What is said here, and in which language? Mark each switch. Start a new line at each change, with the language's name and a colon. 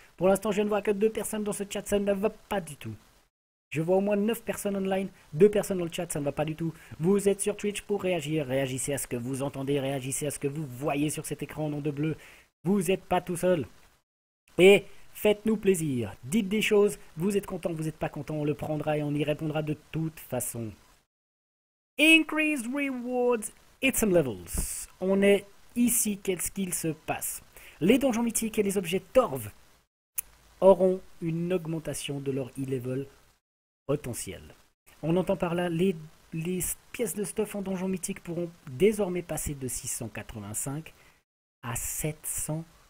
French: Pour l'instant, je ne vois que deux personnes dans ce chat, ça ne va pas du tout. Je vois au moins 9 personnes online, 2 personnes dans le chat, ça ne va pas du tout. Vous êtes sur Twitch pour réagir. Réagissez à ce que vous entendez, réagissez à ce que vous voyez sur cet écran en nom de bleu. Vous n'êtes pas tout seul. Et faites-nous plaisir. Dites des choses. Vous êtes content, vous n'êtes pas content. On le prendra et on y répondra de toute façon.
English: Increase rewards, hit some levels.
French: On est ici. Qu'est-ce qu'il se passe? Les donjons mythiques et les objets Torv auront une augmentation de leur e-level potentiel. On entend par là, les pièces de stuff en donjon mythique pourront désormais passer de 685 à 725.